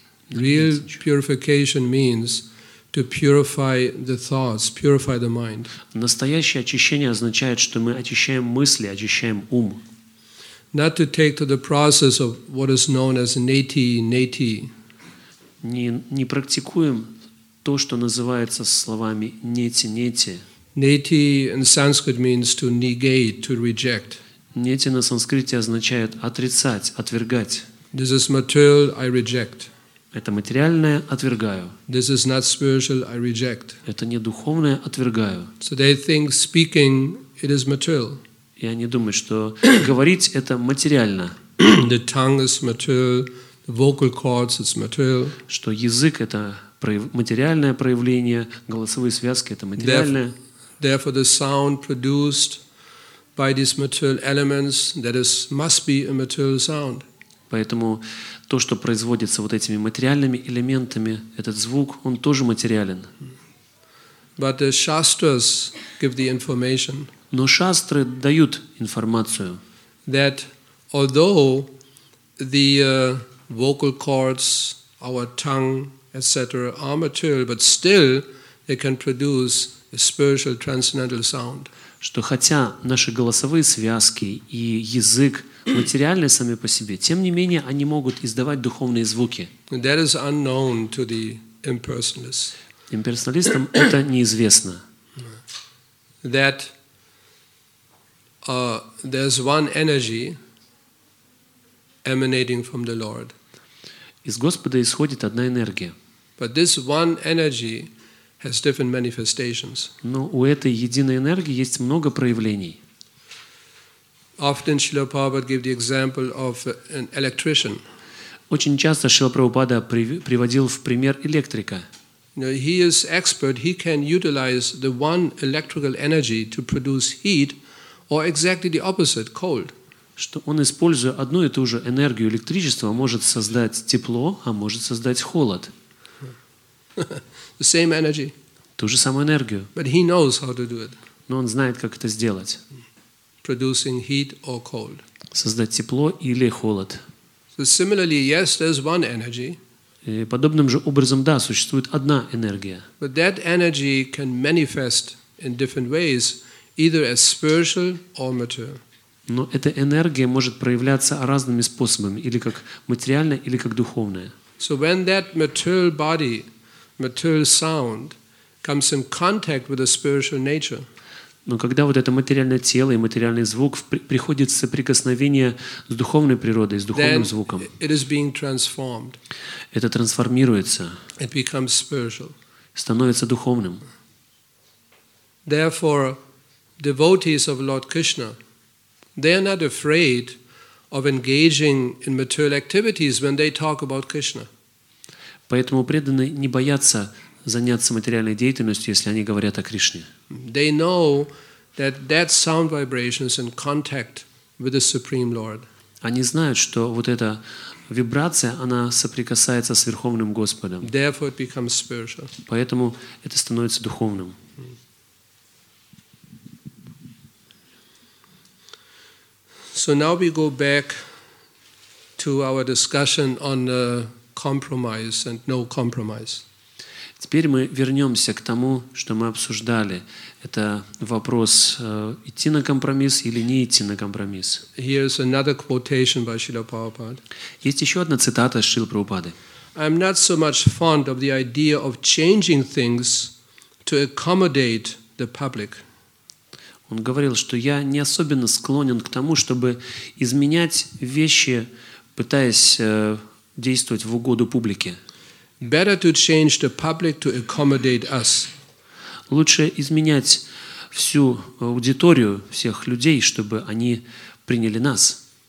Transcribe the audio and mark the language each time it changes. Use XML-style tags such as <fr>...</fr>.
<en>Real purification means to purify the thoughts, purify the mind.</en> <ru>Настоящее очищение означает, что мы очищаем мысли, очищаем ум.</ru> <en>Not to take to the process of what is known as neti.</en> <ru>Не практикуем то, что называется словами neti.</ru> <en>Neti in Sanskrit means to negate, to reject.</en> <ru>Neti на санскрите означает отрицать, отвергать.</ru> <en>This is material, I reject.</en> <ru>Это материальное отвергаю.</ru> <en>This is not spiritual, I reject.</en> <ru>Это не духовное отвергаю.</ru> <en>So they think speaking it is material.</en> <ru>И они думают, что говорить это материально.</ru> <en>The tongue is material, the vocal cords is material.</en> <ru>Что язык это материальное проявление, голосовые связки это материальное.</ru> <en>Therefore the sound produced by these material elements that is must be a material sound.</en> <ru>Поэтому то, что производится вот этими материальными элементами, этот звук, он тоже материален.</ru> <en>But the shastras give the information.</en> <ru>Но шастры дают информацию.</ru> <en>That although the vocal cords, our tongue, etc., are material, but still they can produce a spiritual transcendental sound.</en> <ru>Что хотя наши голосовые связки и язык материальны сами по себе, тем не менее они могут издавать духовные звуки.</ru> <en>That is unknown to the impersonalists.</en> <ru>Имперсоналистам это неизвестно.</ru> <en>That there's one energy emanating from the Lord.</en> <ru>Из Господа исходит одна энергия.</ru> <en>But this one energy has different manifestations.</en> <ru>Но у этой единой энергии есть много проявлений.</ru> <en>Often Srila Prabhupada gave the example of an electrician.</en> <ru>Очень часто Шрила Прабхупада приводил в пример электрика.</ru> <en>know, he is expert, he can utilize the one electrical energy to produce heat, or exactly the opposite, cold.</en> <ru>Что он, используя одну и ту же энергию электричества, может создать тепло, а может создать холод.</ru> <en>The same energy.</en> <ru>Ту же самую энергию.</ru> <en>But he knows how to do it.</en> <ru>Но он знает, как это сделать.</ru> <en>Producing heat or cold.</en> <ru>Создать тепло или холод.</ru> <en>So similarly, yes, there's one energy.</en> <ru>И подобным же образом, да, существует одна энергия.</ru> <en>But that energy can manifest in different ways, either as spiritual or material.</en> <ru>Но эта энергия может проявляться разными способами, или как материальная, или как духовная.</ru> <en>So when that material body, material sound comes in contact with the spiritual nature.</en> <ru>Но когда вот это материальное тело и материальный звук приходит в соприкосновение с духовной природой, с духовным звуком,</ru> <en>it is being transformed.</en> <ru>Это трансформируется.</ru> <en>It becomes spiritual.</en> <ru>Становится духовным.</ru> <en>Therefore, devotees of Lord Krishna, they are not afraid of engaging in material activities when they talk about Krishna.</en> <ru>Поэтому преданные не боятся заняться материальной деятельностью, если они говорят о Кришне.</ru> <en>They know that that sound vibration is in contact with the Supreme Lord.</en> <ru>Они знают, что вот эта вибрация, она соприкасается с Верховным Господом.</ru> <en>Therefore, it becomes spiritual.</en> <ru>Поэтому это становится духовным.</ru> <en>So now we go back to our discussion on compromise and no compromise.</en> <ru>Теперь мы вернемся к тому, что мы обсуждали. Это вопрос, идти на компромисс или не идти на компромисс.</ru> <en>Here is another quotation by Srila Prabhupada.</en> <ru>Есть еще одна цитата Шрилы Прабхупады.</ru> <en>I'm not so much fond of the idea of changing things to accommodate the public.</en> <ru>Он говорил, что я не особенно склонен к тому, чтобы изменять вещи, пытаясь действовать в угоду публике.</ru> <en>Better to change the public to accommodate us.</en> <ru>Лучше изменять всю аудиторию всех людей, чтобы они приняли нас.</ru>